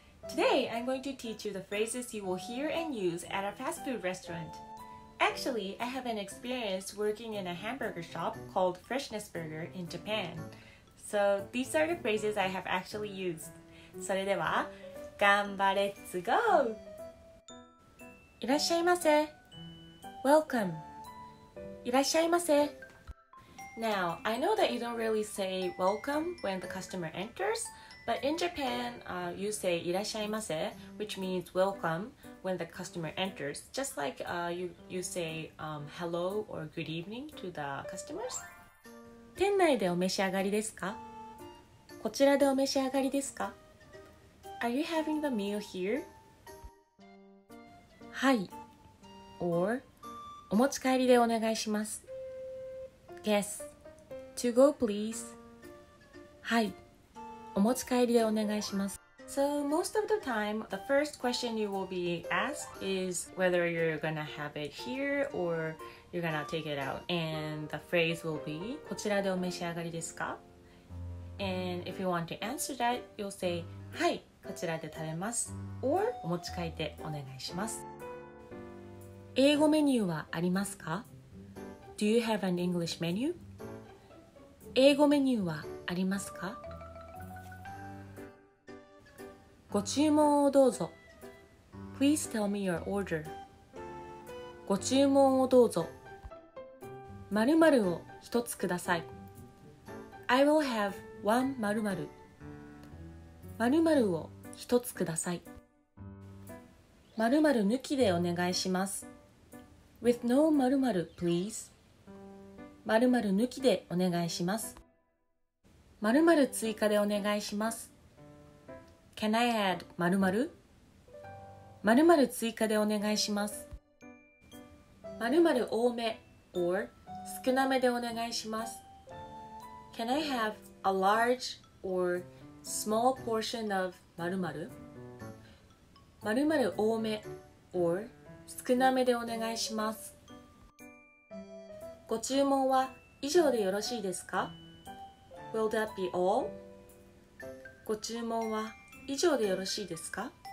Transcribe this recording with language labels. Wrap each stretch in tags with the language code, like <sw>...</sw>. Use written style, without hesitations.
<en>Today, I'm going to teach you the phrases you will hear and use at a fast food restaurant. Actually, I have an experience working in a hamburger shop called Freshness Burger in Japan. So, these are the phrases I have actually used.</en> <ja>それでは、頑張れ、</ja> <en>Let's go!</en> <ja>いらっしゃいませ。</ja> <en>Welcome!</en> <ja>いらっしゃいませ。</ja> <en>Now, I know that you don't really say welcome when the customer enters, but in Japan, you say いらっしゃいませ, which means welcome when the customer enters, just like you say hello or good evening to the customers.</en> <ja>店内でお召し上がりですか?こちらでお召し上がりですか?</ja> <en>Are you having the meal here?</en> <ja>はい。</ja> <en>Or,</en> <ja>お持ち帰りでお願いします。</ja> <en>Yes. To go, please.</en> <ja>はい。お持ち帰りでお願いします。</ja> <en>So, most of the time, the first question you will be asked is whether you're gonna have it here or you're gonna take it out. And the phrase will be,</en> <ja>こちらでお召し上がりですか?</ja> <en>And if you want to answer that, you'll say,</en> <ja>はい、こちらで食べます。</ja> <en>Or,</en> <ja>お持ち帰りでお願いします。英語メニューはありますか?</ja> <en>Do you have an English menu?</en> <ja>英語メニューはありますか? ご注文をどうぞ。</ja> <en>Please tell me your order.</en> <ja>ご注文をどうぞ。〇〇を一つください。</ja> <en>I will have one</en> <ja>〇〇。〇〇を一つください。〇〇抜きでお願いします。</ja> <en>With no 〇〇, please.</en> <ja>〇〇抜きでお願いします。〇〇追加でお願いします。</ja> <en>Can I add 〇〇?</en> <ja>〇〇追加でお願いします。〇〇多め</ja> <en>or</en> <ja>少なめでお願いします。</ja> <en>Can I have a large or small portion of</en> <ja>〇〇? 〇〇多め</ja> <en>or</en> <ja>少なめでお願いします。ご注文は以上でよろしいですか?</ja> <en>Will that be all?</en> <ja>ご注文は以上でよろしいですか?</ja>